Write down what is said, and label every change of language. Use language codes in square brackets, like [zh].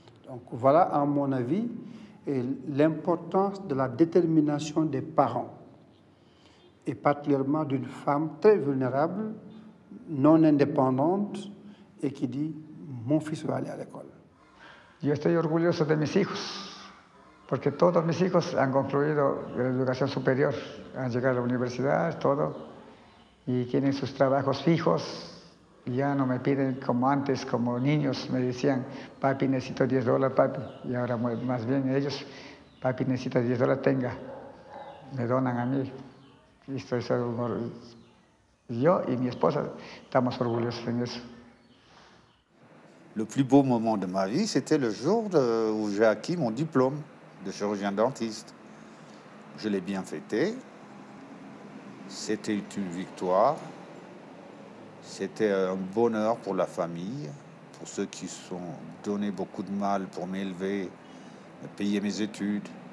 [fr] Donc voilà, à mon avis, et l'importance de la détermination des parents, et particulièrement d'une femme très vulnérable, non indépendante, et qui dit « mon fils va aller à l'école ». Je suis [es] orgulloso de mes hijos, porque todos mis hijos han concluido la educación superior, han llegado a la universidad, todo, y tienen sus trabajos fijos, y ya no me piden como antes, como niños me decían, papi, necesito 10 dólares, papi, y ahora más bien ellos, papi, necesito 10 dólares, tenga, me donan a mí. Y estoy seguro, yo y mi esposa estamos orgullosos en eso. [fr] Le plus beau moment de ma vie, c'était le jour où j'ai acquis mon diplôme de chirurgien dentiste. Je l'ai bien fêté. C'était une victoire. C'était un bonheur pour la famille, pour ceux qui se sont donné beaucoup de mal pour m'élever, payer mes études.